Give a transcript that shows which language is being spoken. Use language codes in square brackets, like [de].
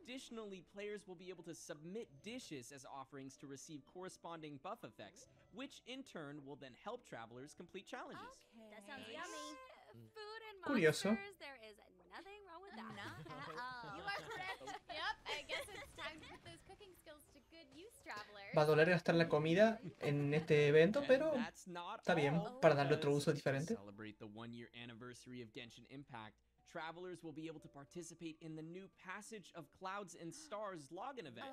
[en] Additionally, players will be able to submit dishes as offerings to receive corresponding buff effects, which in turn will then help travelers complete challenges. Okay. That sounds yummy. Food and [es] curioso. [en] Monsters, there is nothing wrong with that. Not at all. You are correct. Yep, I guess it's time to put those cooking skills to good use, traveler. [es] Va a doler gastar la comida en este evento, pero está bien para darle otro uso diferente. [en] Celebrate the 1 year anniversary of Genshin Impact. Travelers will be able to participate in the new Passage of Clouds and Stars login event.